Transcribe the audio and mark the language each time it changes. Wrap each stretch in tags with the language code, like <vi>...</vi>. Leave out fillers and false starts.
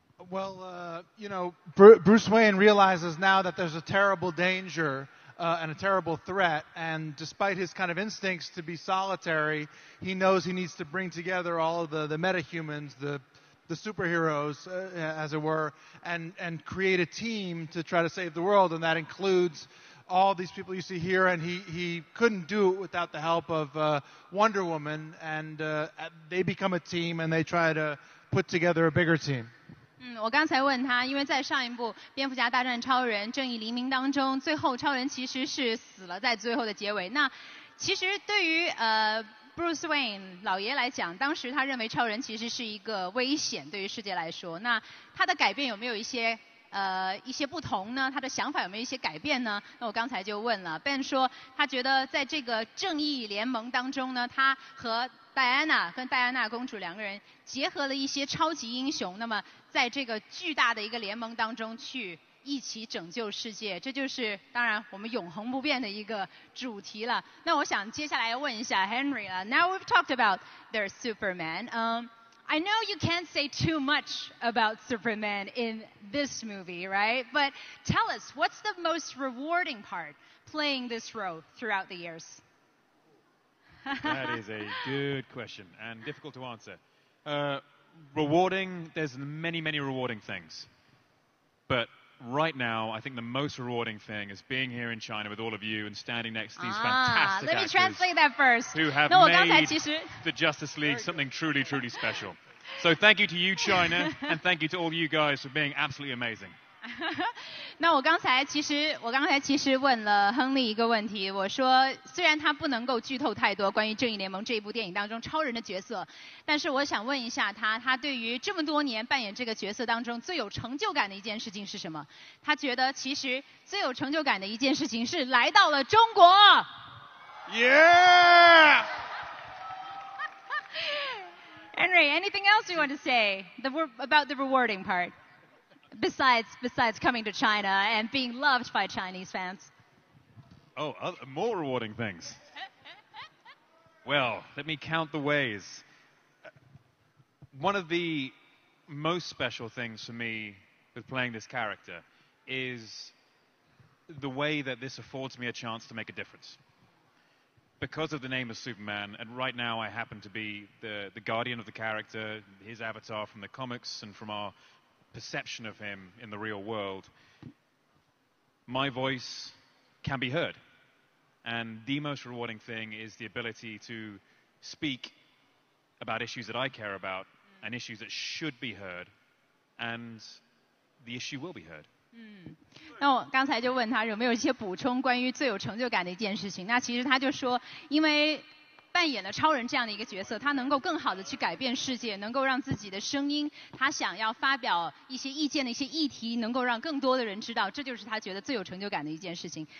<en>Well, you know, Bruce Wayne realizes now that there's a terrible danger and a terrible threat, and despite his kind of instincts to be solitary, he knows he needs to bring together all of the metahumans, the superheroes, as it were, and create a team to try to save the world, and that includes all these people you see here, and he couldn't do it without the help of Wonder Woman, and they become a team, and they try to put together a bigger team.</en> <zh>我刚才问他，因为在上一部《蝙蝠侠大战超人：正义黎明》当中，最后超人其实是死了，在最后的结尾。那其实对于Bruce Wayne 老爷来讲，当时他认为超人其实是一个危险，对于世界来说。那他的改变有没有一些不同呢？他的想法有没有一些改变呢？那我刚才就问了 Ben 说，他觉得在这个正义联盟当中呢，他和戴安娜跟戴安娜公主两个人结合了一些超级英雄，那么在这个巨大的一个联盟当中去一起拯救世界，这就是当然我们永恒不变的一个主题了。那我想接下来问一下 Henry 了。</zh> <en>Now we've talked about their Superman. I know you can't say too much about Superman in this movie, right? But tell us, what's the most rewarding part playing this role throughout the years? That is a good question and difficult to answer. Rewarding, there's many, many rewarding things. But right now, I think the most rewarding thing is being here in China with all of you and standing next to these fantastic let me translate that first. Who have made the Justice League something truly, truly special. So thank you to you, China, and thank you to all you guys for being absolutely amazing.</en> <zh>那我刚才其实问了亨利一个问题，我说虽然他不能够剧透太多关于正义联盟这一部电影当中超人的角色，但是我想问一下他对于这么多年扮演这个角色当中最有成就感的一件事情是什么？他觉得其实最有成就感的一件事情是来到了中国。</zh> <en>Yeah! Henry, anything else you want to say about the rewarding part? Besides coming to China and being loved by Chinese fans. Oh, more rewarding things. Well, let me count the ways. One of the most special things for me with playing this character is the way that this affords me a chance to make a difference. Because of the name of Superman, and right now I happen to be the guardian of the character, his avatar from the comics and from our... perception of him in the real world, my voice can be heard. And the most rewarding thing is the ability to speak about issues that I care about and issues that should be heard, and the issue will be heard.</en> <zh>那我刚才就问他有没有一些补充关于最有成就感的一件事情，那其实他就说因为扮演了超人这样的一个角色，他能够更好的去改变世界，能够让自己的声音，他想要发表一些意见的一些议题，能够让更多的人知道，这就是他觉得最有成就感的一件事情。</zh>